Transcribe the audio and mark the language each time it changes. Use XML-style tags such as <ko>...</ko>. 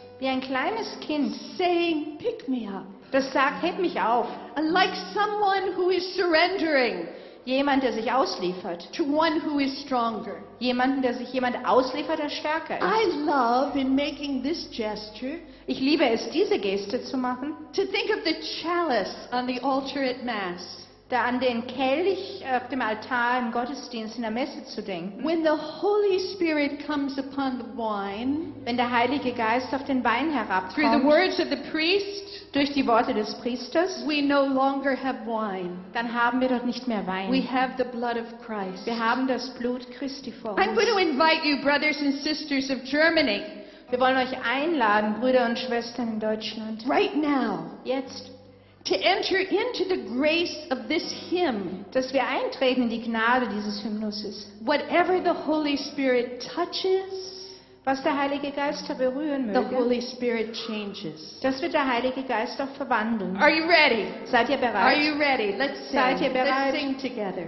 <de>wie ein kleines Kind,</de> <en>saying, pick me up,</en> <de>das sagt, heb mich auf,</de> <en>and like someone who is surrendering,</en> <de>jemand, der sich ausliefert,</de> <en>to one who is stronger,</en> <de>jemanden, der sich jemand ausliefert, der stärker ist.</de> <en>I love in making this gesture,</en> <de>ich liebe es, diese Geste zu machen,</de> <en>to think of the chalice on the altar at Mass.</en> <de>Da an den Kelch auf dem Altar im Gottesdienst in der Messe zu denken.</de> <en>When the Holy Spirit comes upon the wine,</en> <de>wenn der Heilige Geist auf den Wein herabkommt,</de> <en>through the words of the priest,</en> <de>durch die Worte des Priesters,</de> <en>we no longer have wine,</en> <de>dann haben wir dort nicht mehr Wein.</de> <en>We have the blood of Christ.</en> <de>Wir haben das Blut Christi vor uns.</de> <en>I'm going to invite you, brothers and sisters of Germany.</en> <de>Wir wollen euch einladen, Brüder und Schwestern in Deutschland.</de> <en>Right now.</en> <de>Jetzt.</de> <en>To enter into the grace of this hymn,</en> <de>dass wir eintreten in die Gnade dieses Hymnus ist.</de> <en>Whatever the Holy Spirit touches,</en> <de>was der Heilige Geist da berühren möge,</de> <en>the Holy Spirit changes.</en> <de>Das wird der Heilige Geist auch verwandeln.</de> <en>Are you ready?</en> <de>Seid ihr bereit?</de> <en>Are you ready? Let's sing.</en> <de>Seid ihr bereit?</de> <en>Let's sing together.</en>